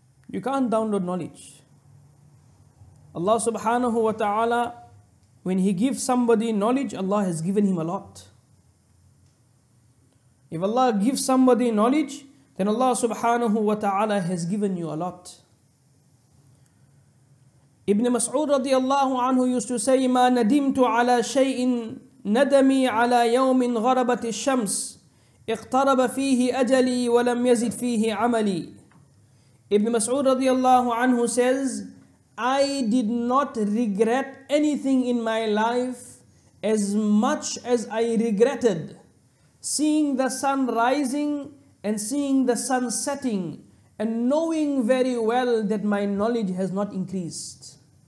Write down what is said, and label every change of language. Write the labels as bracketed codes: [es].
[en] You can't download knowledge. Allah subhanahu wa ta'ala, when He gives somebody knowledge, Allah has given him a lot. If Allah gives somebody knowledge, then Allah subhanahu wa ta'ala has given you a lot. Ibn Mas'ud radiallahu anhu used to say, [ar] ما ندمت على شيء ندمي على يوم غربت الشمس اقترب فيه أجلي ولم يزد فيه عملي. [en] Ibn Mas'ud radiallahu anhu says, I did not regret anything in my life as much as I regretted seeing the sun rising and seeing the sun setting and knowing very well that my knowledge has not increased.